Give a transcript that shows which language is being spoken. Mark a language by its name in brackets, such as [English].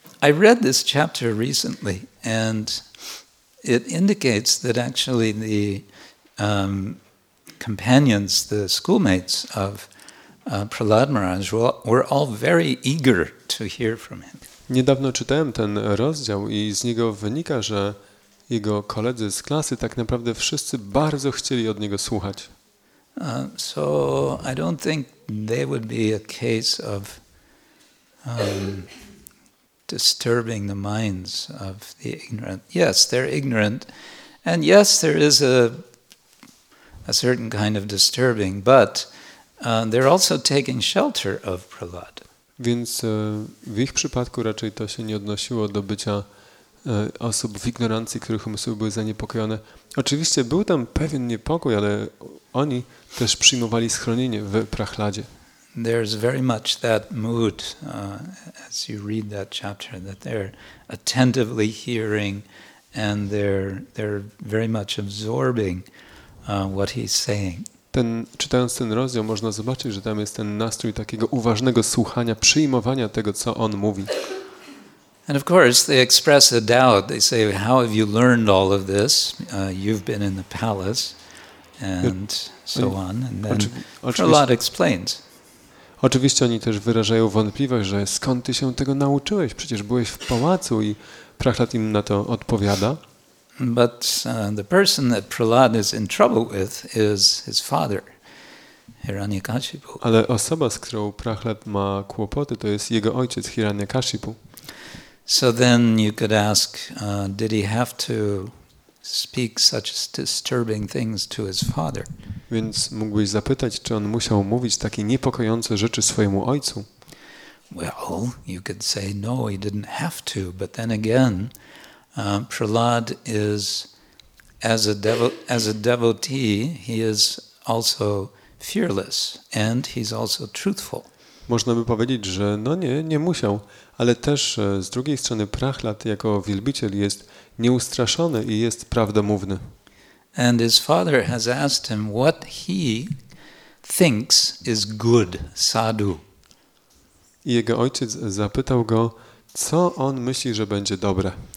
[English] I read this chapter recently, and it indicates that actually the companions, the schoolmates of Prahlad Maharaj, were all very eager to hear from him. [Polish] Niedawno czytałem ten rozdział i z niego wynika, że jego koledzy z klasy tak naprawdę wszyscy bardzo chcieli od niego słuchać. [English] So I don't think they would be a case of disturbing the minds of the ignorant. Yes, they're ignorant. And yes, there is a certain kind of disturbing, but they're also taking shelter of Prahlad. [Polish] Więc w ich przypadku raczej to się nie odnosiło do bycia osób w ignorancji, których umysły były zaniepokojone. Oczywiście był tam pewien niepokój, ale oni też przyjmowali schronienie w Prahladzie. [English] There's very much that mood as you read that chapter, that they're attentively hearing and they're very much absorbing what he's saying. [Polish] Ten, czytając ten rozdział, można zobaczyć, że tam jest ten nastrój takiego uważnego słuchania, przyjmowania tego, co on mówi. [English] And of course they express a doubt. They say, how have you learned all of this? You've been in the palace and so on. And then Prahlad explains. [Polish] Oczywiście oni też wyrażają wątpliwość, że skąd ty się tego nauczyłeś? Przecież byłeś w pałacu i Prahlad im na to odpowiada. [English] But the person that Prahlad is in trouble with is his father, Hiranyakashipu. [Polish] Ale osoba, z którą Prahlad ma kłopoty, to jest jego ojciec, Hiranyakashipu. [English] So then you could ask, did he have to speak such disturbing things to his father? [Polish] Więc mógłbyś zapytać, czy on musiał mówić takie niepokojące rzeczy swojemu ojcu? [English] Well, you could say no, he didn't have to, but then again, Prahlad is as a devotee, he is also fearless and he's also truthful. [Polish] Można by powiedzieć, że no nie, nie musiał. Ale też z drugiej strony Prahlad jako wielbiciel jest nieustraszony i jest prawdomówny. [English] And his father has asked him what he thinks is good sadhu. [Polish] I jego ojciec zapytał go, co on myśli, że będzie dobre.